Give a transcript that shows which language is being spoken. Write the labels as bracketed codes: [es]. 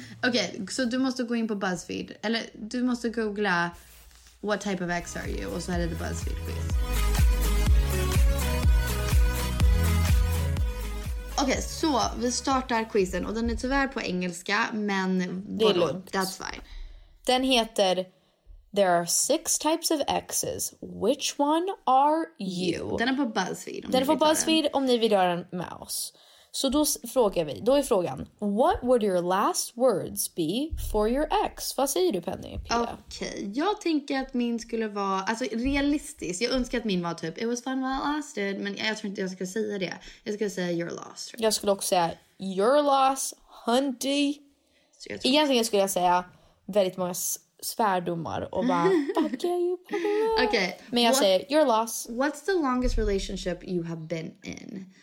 [sv] Okej, okay, så du måste gå in på BuzzFeed. Eller du måste googla [en] what type of ex are you? [sv] Och så är det BuzzFeed quiz. Okej, okay, så vi startar quizen. Och den är tyvärr på engelska, men det är lugnt. [en] That's fine. [sv] Den heter [en] There are six types of exes. Which one are you? [sv] Den är på BuzzFeed. Den är på BuzzFeed om ni vill göra den med oss. Så då frågar vi. Då är frågan. [en] What would your last words be for your ex? [sv] Vad säger du, Penny? Okej. Okay. Jag tänker att min skulle vara... alltså realistiskt. Jag önskar att min var typ [en] it was fun while it lasted. [sv] Men jag tror inte jag ska säga det. Jag ska säga [en] you're lost. Right? [sv] Jag skulle också säga [en] you're lost, hunty. [sv] Egentligen skulle jag säga... väldigt många svärdomar och bara [en] fuck you. Okay. [sv] Men jag säger [en] your loss. What's the longest relationship you have been in?